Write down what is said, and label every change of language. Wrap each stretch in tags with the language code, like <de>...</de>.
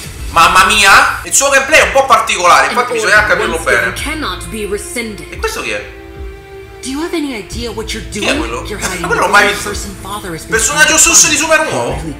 <it>Mamma mia! Il suo gameplay è un po' particolare, infatti bisogna capirlo bene. E questo chi è?</it> <en>Do you have any idea what you're doing?</en> <it>Chi è quello? Ma l'ho mai visto. Personaggio sus di Super Nuovo?</it>